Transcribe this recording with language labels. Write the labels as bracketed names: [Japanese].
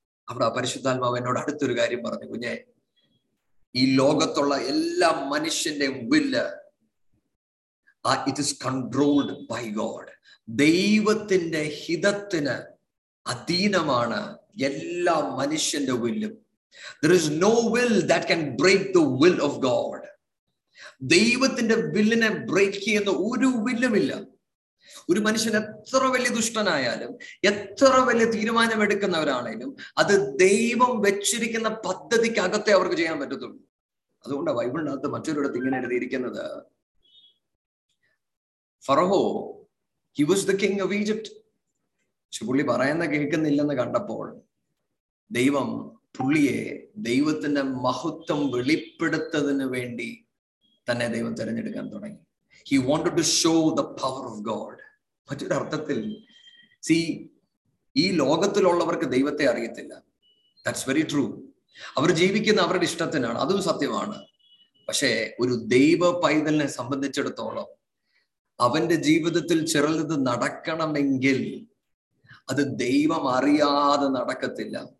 [Malayalam] അവിടെ പരിശുദ്ധാത്മാവ് എന്നോട് അടുത്തൊരു കാര്യം പറഞ്ഞു, കുഞ്ഞെ, ഈ ലോകത്തുള്ള എല്ലാ മനുഷ്യന്റെ മുമ്പില് [English] It is controlled by God. [Malayalam] ദൈവത്തിന്റെ ഹിതത്തിന് അധീനമാണ് എല്ലാ മനുഷ്യന്റെ വില്ലും. [English] There is no will that can break the will of God. [Malayalam] ദൈവത്തിന്റെ വില്ലിനെ ബ്രേക്ക് ചെയ്യുന്ന ഒരു വില്ലുമില്ല. ഒരു മനുഷ്യൻ എത്ര വലിയ ദുഷ്ടനായാലും എത്ര വലിയ തീരുമാനം എടുക്കുന്നവരാണേലും അത് ദൈവം വെച്ചിരിക്കുന്ന പദ്ധതിക്ക് അകത്തെ അവർക്ക് ചെയ്യാൻ പറ്റത്തുള്ളൂ. അതുകൊണ്ടാണ് ബൈബിളിനകത്ത് മറ്റൊരിടത്ത് ഇങ്ങനെ എഴുതിയിരിക്കുന്നത്, ഫറഹോ, [English] he was the king of Egypt, [Malayalam] പക്ഷെ പുള്ളി പറയുന്ന കേൾക്കുന്നില്ലെന്ന് കണ്ടപ്പോൾ ദൈവം പുള്ളിയെ ദൈവത്തിന്റെ മഹത്വം വെളിപ്പെടുത്തതിന് വേണ്ടി തന്നെ ദൈവം തിരഞ്ഞെടുക്കാൻ തുടങ്ങി. [English] He wanted to show the power of God. [Malayalam] മറ്റൊരു അർത്ഥത്തിൽ, see, ഈ ലോകത്തിലുള്ളവർക്ക് ദൈവത്തെ അറിയത്തില്ല. [English] That's very true. [Malayalam] അവർ ജീവിക്കുന്ന അവരുടെ ഇഷ്ടത്തിനാണ്, അതും സത്യമാണ്. പക്ഷേ ഒരു ദൈവ പൈതലിനെ സംബന്ധിച്ചിടത്തോളം അവന്റെ ജീവിതത്തിൽ ചെറുത് നടക്കണമെങ്കിൽ അത് ദൈവം അറിയാതെ നടക്കത്തില്ല.